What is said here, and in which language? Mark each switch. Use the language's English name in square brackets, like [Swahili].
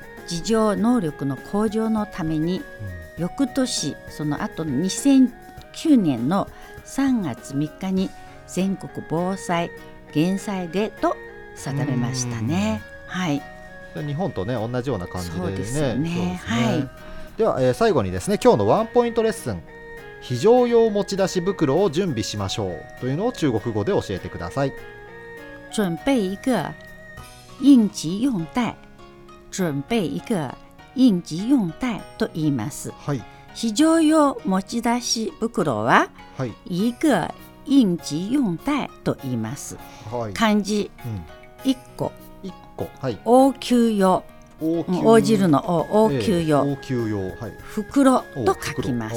[Japanese] 自浄能力の向上のために、うん、翌年その後の2009年の3月3日に全国防災減災デーと定めましたね、はい、日本と、ね、同じような感じでですね、はい、では、最後にですね、今日のワンポイントレッスン、非常用持ち出し袋を準備しましょうというのを中国語で教えてください。 [Chinese] 準備一个应急用袋、準備一個應急用袋 [Japanese] と言います、はい、非常用持ち出し袋は、はい、 [Chinese] 一個應急用袋 [Japanese] と言います、はい、漢字、うん、一個、一個、はい、応急用、応じるの応、応急用、応急用、はい、袋と書きます。